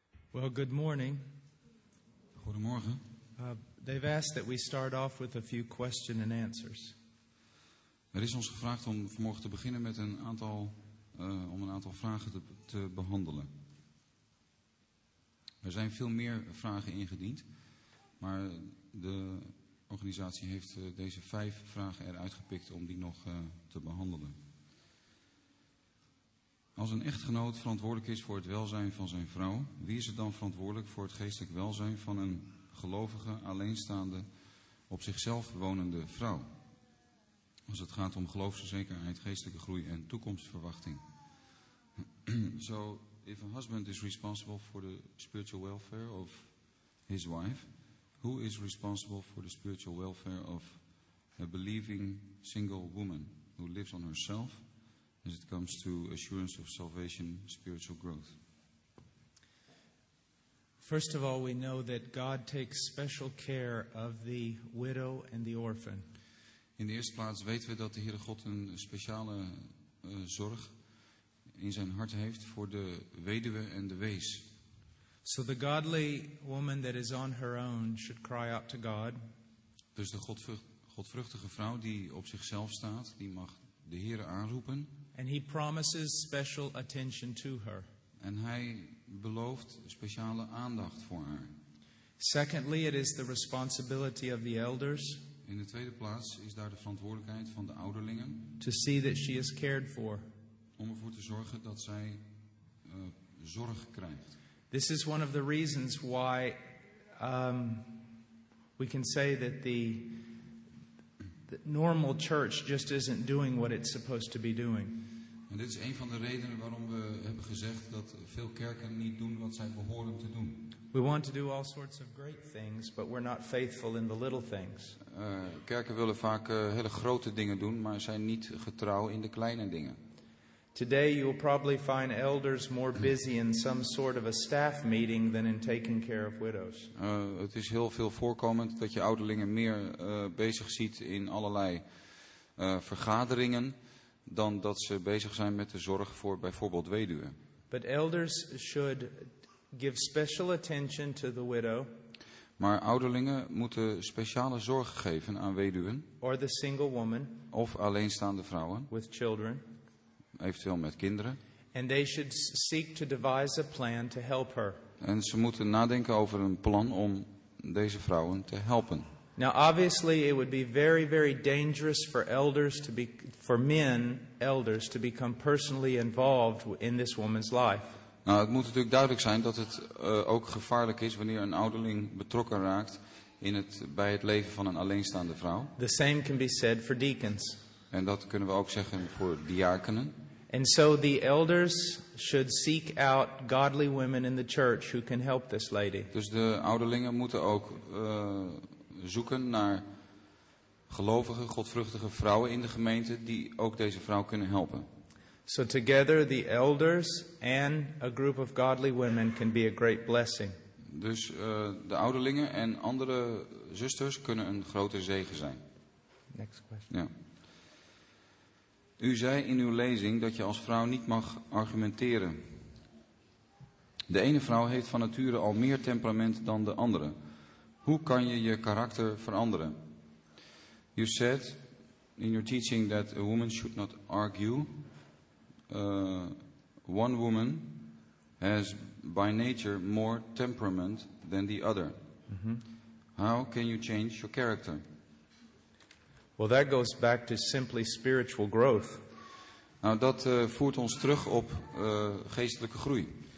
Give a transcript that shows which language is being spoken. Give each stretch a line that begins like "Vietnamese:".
English: Well, good morning.
Dutch: Goedemorgen.
English: They've asked that we start off with a few questions and answers.
Dutch: Er is ons gevraagd om vanmorgen te beginnen met een aantal vragen te behandelen. Er zijn veel meer vragen ingediend, maar de organisatie heeft deze 5 vragen eruit gepikt om die nog te behandelen. Als een echtgenoot verantwoordelijk is voor het welzijn van zijn vrouw, wie is het dan verantwoordelijk voor het geestelijk welzijn van een gelovige, alleenstaande, op zichzelf wonende vrouw? Als het gaat om geloofszekerheid, geestelijke groei en toekomstverwachting.
English: So, if a husband is responsible for the spiritual welfare of his wife, who is responsible for the spiritual welfare of a believing single woman who lives on herself? As it comes to assurance of salvation, spiritual growth. First of all, we know that God takes special care of the widow and the orphan.
Dutch: In de eerste plaats weten we dat de Heere God een speciale zorg in zijn hart heeft voor de weduwe en de wees.
English: So the godly woman that is on her own should cry out to God.
Dutch: Dus de godvruchtige vrouw die op zichzelf staat, die mag de Heere aanroepen.
English: And he promises special attention to her.
Dutch: En hij belooft speciale aandacht voor haar.
English: Secondly, it is the responsibility of the elders.
Dutch: In de tweede plaats is daar de verantwoordelijkheid van de ouderlingen.
English: To see that she is cared for.
Dutch: Om ervoor te zorgen dat zij zorg krijgt.
English: This is one of the reasons why we can say that the normal church just isn't doing what it's supposed to be doing.
Dutch: En dit is een van de redenen waarom we hebben gezegd dat veel kerken niet doen wat zij behoren te doen.
English: We want to do all sorts of great things, but we're not faithful in the little things.
Dutch: Kerken willen vaak hele grote dingen doen, maar zijn niet getrouw in de kleine dingen.
English: Today you will probably find elders more busy in some sort of a staff meeting than in taking care of widows.
Dutch: Het is heel veel voorkomend dat je ouderlingen meer bezig ziet in allerlei vergaderingen dan dat ze bezig zijn met de zorg voor bijvoorbeeld weduwen.
English: But elders should give special attention to the widow.
Dutch: Maar ouderlingen moeten speciale zorg geven aan weduwen.
English: Or the single woman.
Dutch: Of alleenstaande vrouwen.
English: With children.
Dutch: Eventueel met kinderen.
English: And they should seek to devise a plan to help her.
Dutch: En ze moeten nadenken over een plan om deze vrouwen te helpen.
English: Now obviously it would be very, very dangerous for elders to be for men elders to become personally involved in this woman's life.
Dutch: Nou, het moet natuurlijk duidelijk zijn dat het ook gevaarlijk is wanneer een ouderling betrokken raakt bij het leven van een alleenstaande vrouw.
English: The same can be said for deacons.
Dutch: En dat kunnen we ook zeggen voor diakenen.
English: And so the elders should seek out godly women in the church who can help this lady.
Dutch: Dus de ouderlingen moeten ook zoeken naar gelovige, godvruchtige vrouwen in de gemeente die ook deze vrouw kunnen helpen.
English: So together the elders and a group of godly women can be a great blessing.
Dutch: Dus de ouderlingen en andere zusters kunnen een grote zegen zijn.
English: Next question.
Dutch: Ja. U zei in uw lezing dat je als vrouw niet mag argumenteren. De ene vrouw heeft van nature al meer temperament dan de andere. Hoe kan je je karakter veranderen?
English: You said in your teaching that a woman should not argue. One woman has by nature more temperament than the other. Mm-hmm. How can you change your character? Well, that goes back to simply spiritual growth.
Dutch: Nou, dat voert ons terug op geestelijke groei.